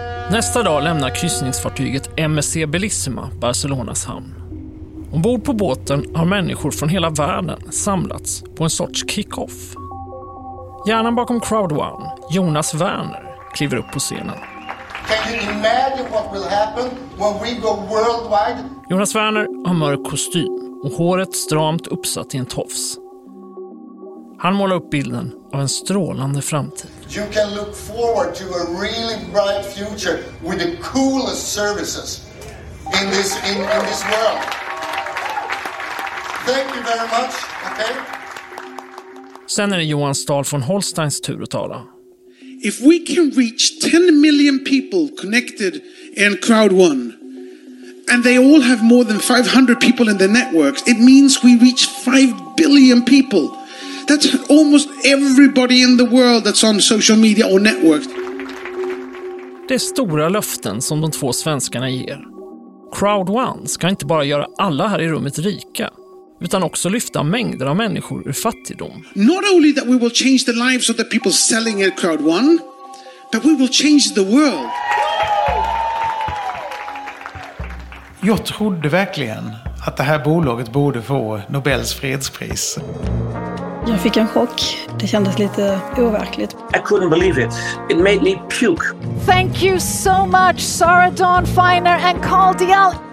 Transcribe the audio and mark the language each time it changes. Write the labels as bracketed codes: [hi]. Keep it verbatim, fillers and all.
[sv] Nästa dag lämnar kryssningsfartyget M S C Bellissima Barcelonas hamn. Ombord på båten har människor från hela världen samlats på en sorts kick-off. Hjärnan bakom Crowd One, Jonas Werner, kliver upp på scenen. [en] Can you imagine what will happen when we go worldwide? [sv] Jonas Werner har mörk kostym och håret stramt uppsatt i en tofs. Han målar upp bilden av en strålande framtid. [en] You can look forward to a really bright future with the coolest services in this in, in this world. Thank you very much. Okay? [sv] Sen är det Johan Stahl von Holsteins tur att tala. [en] If we can reach ten million people connected in Crowd One and they all have more than five hundred people in their networks, it means we reach five billion people. That's almost everybody in the world that's on social media or networks. [sv] Det är stora löften som de två svenskarna ger. Crowd One ska inte bara göra alla här i rummet rika, utan också lyfta mängder av människor ur fattigdom. [en] Not only that we will change the lives of the people selling at Crowd One, but we will change the world. [sv] Jag trodde verkligen att det här bolaget borde få Nobels fredspris. Jag fick en chock. Det kändes lite overkligt. [en] I couldn't believe it. It made me puke. Thank you so much, Sarah Dawn Finer and Carl Dial.